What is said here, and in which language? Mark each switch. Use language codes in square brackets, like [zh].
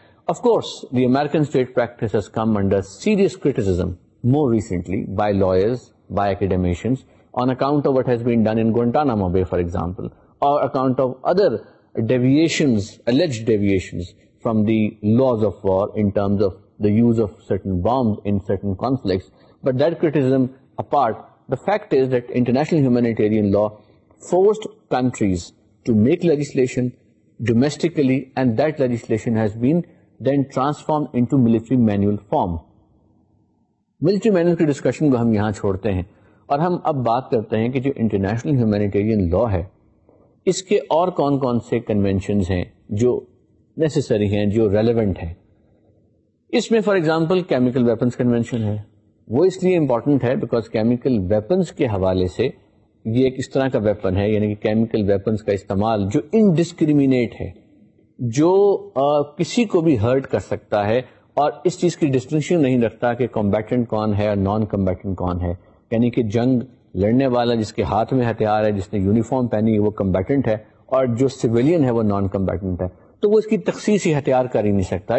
[en] Of course the American state practice has come under serious criticism more recently by lawyers by academicians on account of what has been done in Guantanamo Bay for example or account of other deviations alleged deviations from the laws of war in terms of the use of certain bombs in certain conflicts. But that criticism apart, the fact is that international humanitarian law forced countries to make legislation domestically, and that legislation has been then transformed into military manual form. [ur] Military manual ki discussion ko hum yahan chhodte hain aur hum ab baat karte hain ki jo international humanitarian law hai iske aur kaun kaun se conventions hain jo necessary ہیں, جو relevant ہیں. اس میں for example chemical weapons convention ہے, وہ اس لیے important ہے because chemical weapons کے حوالے سے یہ ایک اس طرح کا ویپن ہے, یعنی کہ کیمیکل ویپنس کا استعمال جو انڈسکریمنیٹ ہے, جو کسی کو بھی ہرٹ کر سکتا ہے اور اس چیز کی ڈسٹنکشن نہیں رکھتا کہ کمبیٹنٹ کون ہے اور نان کمبیٹنٹ کون ہے, یعنی کہ جنگ لڑنے والا جس کے ہاتھ میں ہتھیار ہے, جس نے یونیفارم پہنی ہے, وہ کمبیٹنٹ ہے اور جو سویلین ہے وہ نان کمبیٹنٹ ہے, تو وہ اس کی تخصیصی ہتھیار کر ہی نہیں سکتا.